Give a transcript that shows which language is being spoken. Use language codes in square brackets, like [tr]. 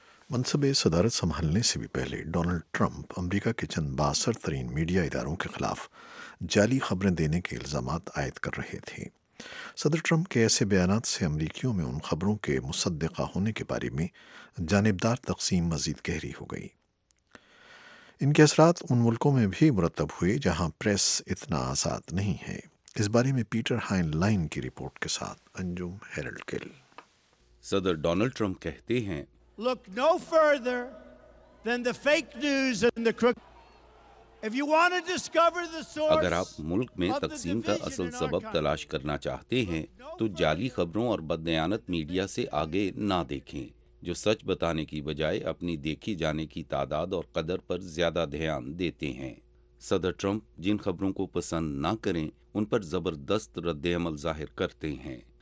[ur] منصب صدارت سنبھالنے سے بھی پہلے ڈونلڈ ٹرمپ امریکہ کے چند باثر ترین میڈیا اداروں کے خلاف جعلی خبریں دینے کے الزامات عائد کر رہے تھے۔ صدر ٹرمپ کے ایسے بیانات سے امریکیوں میں ان خبروں کے مصدقہ ہونے کے بارے میں جانبدار تقسیم مزید گہری ہو گئی۔ ان کے اثرات ان ملکوں میں بھی مرتب ہوئے جہاں پریس اتنا آزاد نہیں ہے۔ اس بارے میں پیٹر ہائن لائن کی رپورٹ کے ساتھ انجم ہیرلڈ کل۔ صدر ڈونلڈ ٹرمپ کہتے ہیں، [en] Look no further than the fake news and the crook. If you want to discover the source, [ur] اگر آپ ملک میں تقسیم کا اصل سبب تلاش کرنا چاہتے ہیں تو جعلی خبروں اور بددیانت میڈیا سے آگے نہ دیکھیں۔ جو سچ بتانے کی بجائے اپنی دیکھی جانے کی تعداد اور قدر پر زیادہ دھیان دیتے ہیں۔ صدر ٹرمپ جن خبروں کو پسند نہ کریں ان پر زبردست رد عمل ظاہر کرتے ہیں۔